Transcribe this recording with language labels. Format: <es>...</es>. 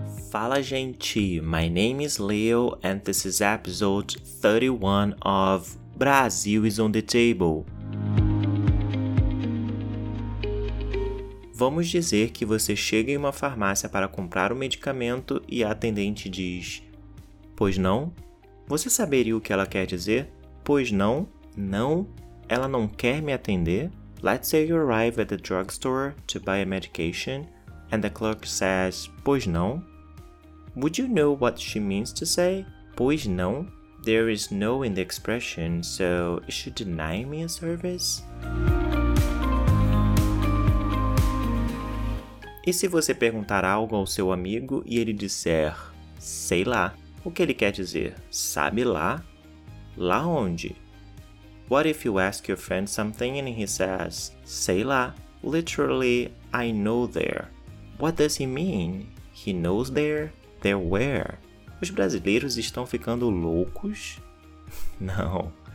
<pt>Fala gente,</pt> <en>my name is Leo and this is episode 31 of Brasil is on the table.</en> <pt>Vamos dizer que você chega em uma farmácia para comprar um medicamento e a atendente diz: pois não? Você saberia o que ela quer dizer? Pois não? Não? Ela não quer me atender?</pt> <en>Let's say you arrive at the drugstore to buy a medication and the clerk says,</en> <pt>pois não?</pt> <en>Would you know what she means to say?</en> <pt>Pois não?</pt> <en>There is no in the expression, so is she denying me a service?</en> <pt>E se você perguntar algo ao seu amigo e ele disser, sei lá? O que ele quer dizer? Sabe lá? Lá onde?</pt> <en>What if you ask your friend something and he says,</en> <pt>sei lá?</pt> <en>Literally, I know there. What does he mean? He knows there? There where?</en> <pt>Os brasileiros estão ficando loucos? Não.</pt>